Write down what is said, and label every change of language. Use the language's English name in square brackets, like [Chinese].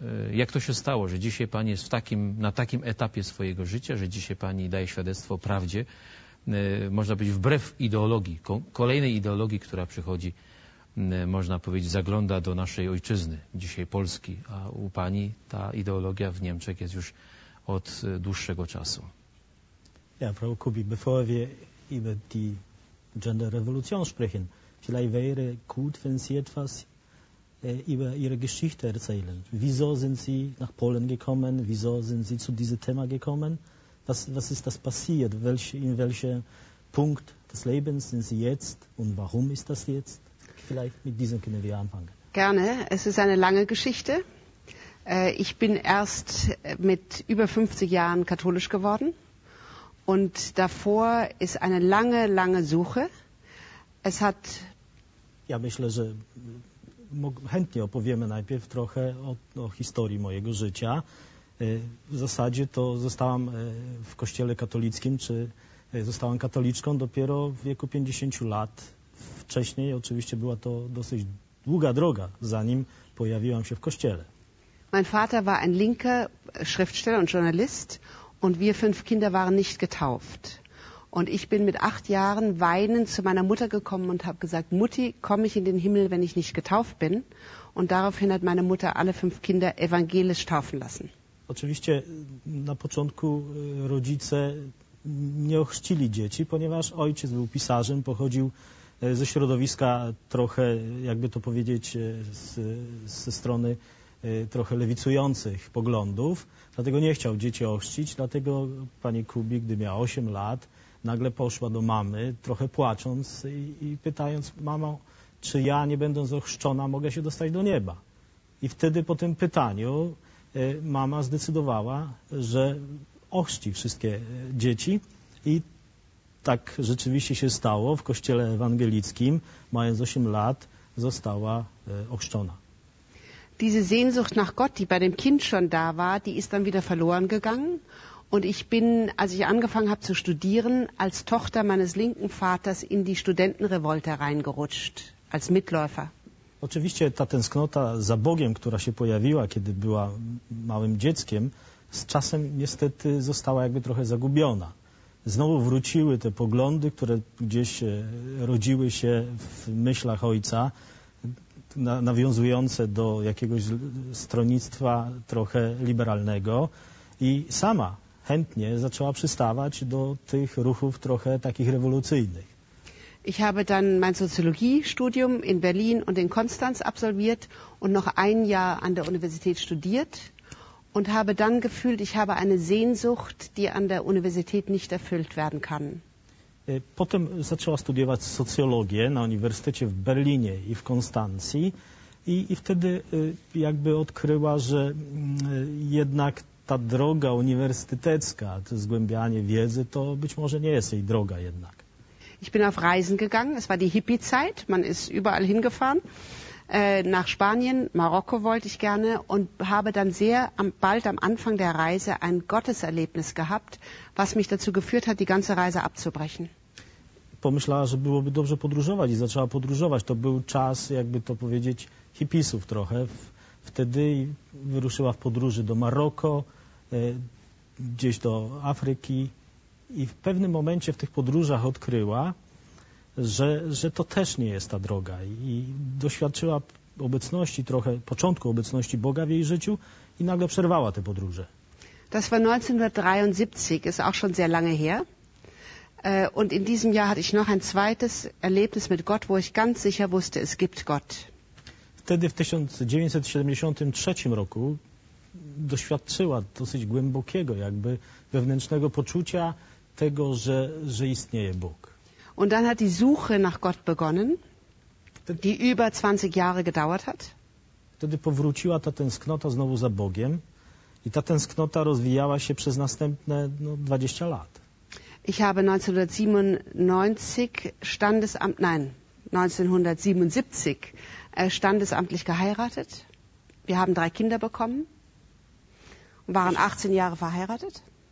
[Polish] jak to się stało, że dzisiaj pani jest na takim etapie swojego życia, że dzisiaj pani daje świadectwo o prawdzie, można powiedzieć wbrew ideologii, kolejnej ideologii, która przychodzi, można powiedzieć, zagląda do naszej ojczyzny, dzisiaj Polski, a u pani ta ideologia w Niemczech jest już od dłuższego czasu. [German] Ja, Frau Kubi, bevor wir über die Gender-Revolution sprechen, vielleicht wäre gut, wenn Sie etwas über Ihre Geschichte erzählen. Wieso sind Sie nach Polen gekommen? Wieso sind Sie zu diesem Thema gekommen? Was ist das passiert? In welchem Punkt des Lebens sind Sie jetzt? Und warum ist das jetzt? Vielleicht mit diesem können wir anfangen. Gerne. Es ist eine lange Geschichte. Ich bin erst mit über 50 Jahren katholisch geworden. Und davor ist eine lange, lange Suche. Es hat... [Polish] Ja, myślę, że chętnie opowiemy najpierw trochę o historii mojego życia. W zasadzie to zostałam w kościele katolickim, czy zostałam katoliczką dopiero w wieku 50 lat. Wcześniej oczywiście była to dosyć długa droga, zanim pojawiłam się w kościele. [German] Mein Vater war ein linker Schriftsteller und Journalist und wir fünf Kinder waren nicht getauft. Und ich bin mit 8 Jahren weinend zu meiner Mutter gekommen und habe gesagt, Mutti, komme ich in den Himmel, wenn ich nicht getauft bin? Und daraufhin hat meine Mutter alle 5 Kinder evangelisch taufen lassen. [Polish] Oczywiście na początku rodzice nie ochrzcili dzieci, ponieważ ojciec był pisarzem, pochodził ze środowiska trochę, jakby to powiedzieć, ze strony trochę lewicujących poglądów. Dlatego nie chciał dzieci ochrzcić, dlatego pani Kubi, gdy miała 8 lat, nagle poszła do mamy, trochę płacząc i pytając, mamo, czy ja, nie będąc ochrzczona, mogę się dostać do nieba? I wtedy po tym pytaniu mama zdecydowała, że ochrzci wszystkie dzieci. I tak rzeczywiście się stało. W kościele ewangelickim, mając 8 lat, została ochrzczona. [German] Diese Sehnsucht nach Gott, die bei dem Kind schon da war, die ist dann wieder verloren gegangen. Und ich bin, als ich angefangen habe zu studieren, als Tochter meines linken Vaters in die Studentenrevolte reingerutscht, als Mitläufer. [Polish] Oczywiście ta tęsknota za Bogiem, która się pojawiła, kiedy była małym dzieckiem, z czasem niestety została jakby trochę zagubiona. Znowu wróciły te poglądy, które gdzieś rodziły się w myślach ojca, nawiązujące do jakiegoś stronnictwa trochę liberalnego. I sama chętnie zaczęła przystawać do tych ruchów trochę takich rewolucyjnych. [German] Ich habe dann mein Soziologiestudium in Berlin und in Konstanz absolviert und noch ein Jahr an der Universität studiert und habe dann gefühlt, ich habe eine Sehnsucht, die an der Universität nicht erfüllt werden kann. [Polish] Potem zaczęła studiować socjologię na Uniwersytecie w Berlinie i w Konstancji. I wtedy jakby odkryła, że jednak ta droga uniwersytecka, to zgłębianie wiedzy, to być może nie jest jej droga jednak. [German] Ich bin auf Reisen gegangen. Es war die Hippie-Zeit. Man ist überall hingefahren. Nach Spanien, Marokko wollte ich gerne und habe dann sehr bald am Anfang der Reise ein Gotteserlebnis gehabt, was mich dazu geführt hat, die ganze Reise abzubrechen. [Polish] Pomyślała, że byłoby dobrze podróżować i zaczęła podróżować. To był czas, jakby to powiedzieć, hipisów trochę. Wtedy wyruszyła w podróży do Maroko, gdzieś do Afryki i w pewnym momencie w tych podróżach odkryła, że to też nie jest ta droga i doświadczyła obecności trochę, początku obecności Boga w jej życiu i nagle przerwała te podróże. [German] Das war 1973, ist auch schon sehr lange her. Und in diesem Jahr hatte ich noch ein zweites Erlebnis mit Gott, wo ich ganz sicher wusste, es gibt Gott. [Polish] Wtedy w 1973 roku doświadczyła dosyć głębokiego, jakby wewnętrznego poczucia tego, że istnieje Bóg. [German] Und dann hat die Suche nach Gott begonnen, die über 20 Jahre gedauert hat. [Polish] Wtedy powróciła ta tęsknota znowu za Bogiem i ta tęsknota rozwijała się przez następne 20 lat. [German] Ich habe 1997 1977 standesamtlich geheiratet. Wir haben drei Kinder bekommen, waren 18 Jahre verheiratet.